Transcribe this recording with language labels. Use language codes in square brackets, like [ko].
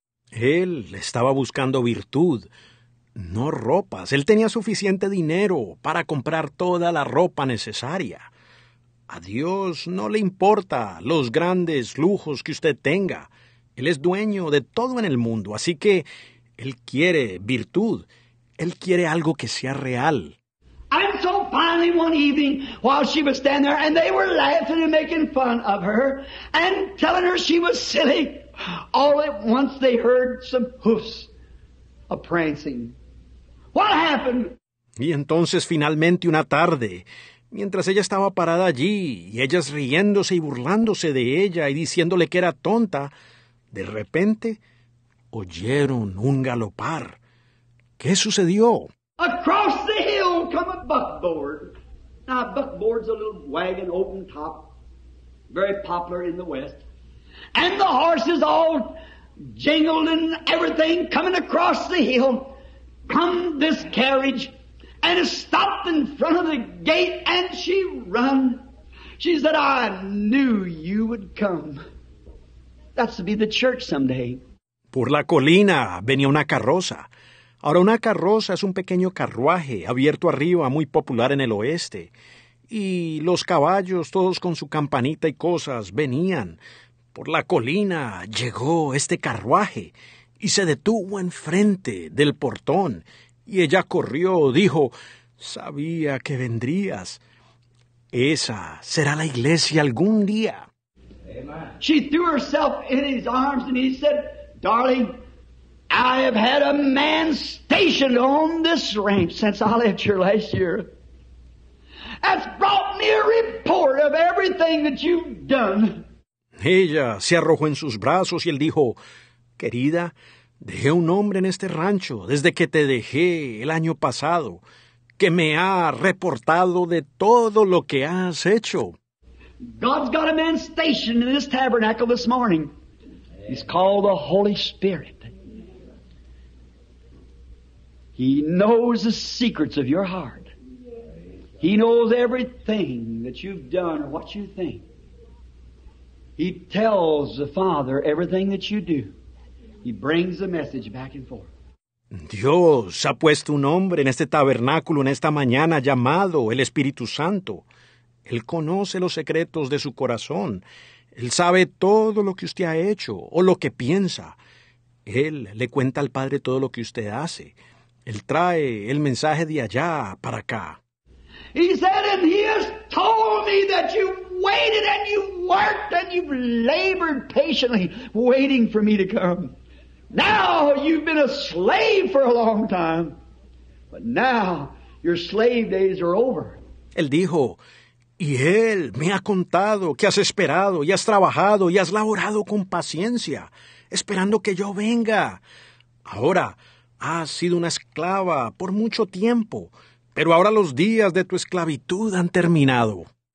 [es] Él estaba buscando virtud, no ropas. Él tenía suficiente dinero para comprar toda la ropa necesaria. A Dios no le importa los grandes lujos que usted tenga. Él es dueño de todo en el mundo, así que él quiere virtud. Él quiere algo que sea real. [en] And so finally one evening, while she was standing there, and they were laughing and making fun of her, and telling her she was silly, all at once they heard some hoofs a-prancing. What happened? [es] Y entonces finalmente una tarde, mientras ella estaba parada allí, y ellas riéndose y burlándose de ella y diciéndole que era tonta, de repente oyeron un galopar. ¿Qué sucedió? [en] Across the hill come a buckboard. Now, a buckboard's a little wagon, open top, very popular in the West. And the horses all jingled and everything coming across the hill. Come this carriage, and it stopped in front of the gate, and she run. She said, I knew you would come. That's to be the church someday. [es] Por la colina venía una carroza. Ahora, una carroza es un pequeño carruaje abierto arriba, muy popular en el oeste. Y los caballos, todos con su campanita y cosas, venían. Por la colina llegó este carruaje y se detuvo enfrente del portón. Y ella corrió, dijo, sabía que vendrías. Esa será la iglesia algún día. [en] She threw herself in his arms and he said, darling, I have had a man stationed on this ranch since I left here last year. That's brought me a report of everything that you've done. [es] Ella se arrojó en sus brazos y él dijo, querida, dejé un hombre en este rancho desde que te dejé el año pasado, que me ha reportado de todo lo que has hecho. [en] God's got a man stationed in this tabernacle this morning. He's called the Holy Spirit. He knows the secrets of your heart. He knows everything that you've done or what you think. He tells the Father everything that you do. He brings the message back and forth. [es] Dios ha puesto un hombre en este tabernáculo en esta mañana llamado el Espíritu Santo. Él conoce los secretos de su corazón. Él sabe todo lo que usted ha hecho o lo que piensa. Él le cuenta al Padre todo lo que usted hace. Él trae el mensaje de allá para acá. [en] He said, and he has told me that you've waited and you've worked and you've labored patiently waiting for me to come. Now you've been a slave for a long time, but now your slave days are over. [es] Él dijo, y él me ha contado que has esperado y has trabajado y has laborado con paciencia, esperando que yo venga. Ahora, has sido una esclava por mucho tiempo, pero ahora los días de tu esclavitud han terminado.